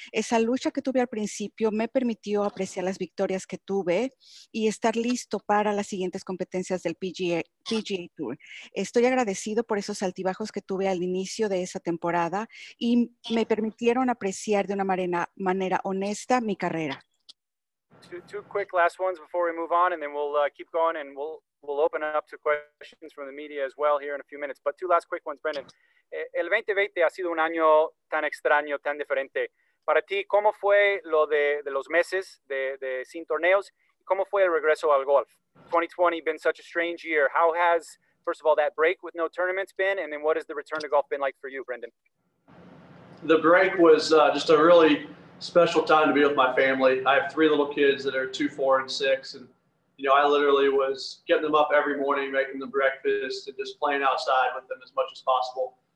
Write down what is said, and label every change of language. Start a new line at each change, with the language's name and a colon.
Spanish: Esa lucha que tuve al principio me permitió apreciar las victorias que tuve y estar listo para las siguientes competencias del PGA Tour. Estoy agradecido por esos altibajos que tuve al inicio de esa temporada y me permitieron apreciar de una manera honesta mi carrera.
English: Two quick last ones before we move on, and then we'll keep going, and we'll open up to questions from the media as well here in a few minutes. But two last quick ones, Brendan.
Spanish: El 2020 ha sido un año tan extraño, tan diferente. Para ti, ¿cómo fue lo de los meses de sin torneos? ¿Cómo fue el regreso al golf?
English: 2020 been such a strange year. How has, first of all, that break with no tournaments been? And then what has the return to golf been like for you, Brendan? The break was just a really special time to be with my family. I have three little kids that are 2, 4, and 6. And, you know, I literally was getting them up every morning, making them breakfast, and just playing outside with them as much as possible.